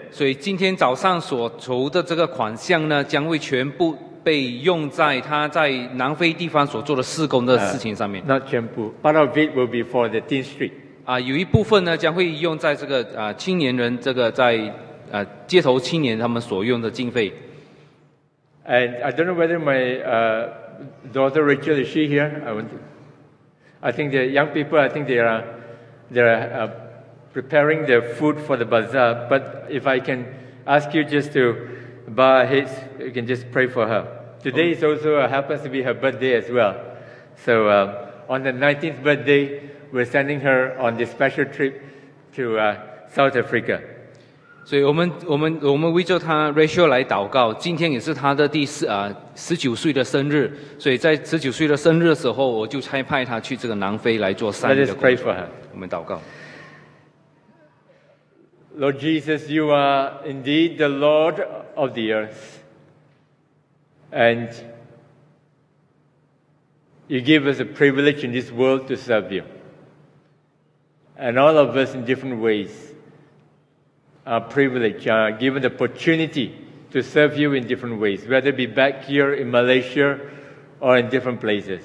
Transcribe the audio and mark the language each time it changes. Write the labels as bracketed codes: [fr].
[zh] 所以今天早上所筹的这个款项呢，将会全部被用在他在南非地方所做的事工的事情上面。 [en] Not 全部 ，part of it will be for the teen street。 [zh] 啊，有一部分呢将会用在这个青年人这个在街头青年他们所用的经费。 [en] And I don't know whether my daughter Rachel is she here? I think the young people, I think they are preparing their food for the bazaar. But if I can ask you just to bow our heads, you can just pray for her. Today is also happens to be her birthday as well. So on the 19th birthday, we're sending her on this special trip to South Africa. [zh] 所以我们为着她 Rachel 来祷告，今天也是她的19岁的生日，所以在19岁的生日的时候，我就差派她去这个南非来做三年的工作。 [en] Let us pray for her. [zh] 我们祷告。 [en] Lord Jesus, you are indeed the Lord of the earth. And you give us a privilege in this world to serve you. And all of us in different ways are privileged, are given the opportunity to serve you in different ways, whether it be back here in Malaysia or in different places.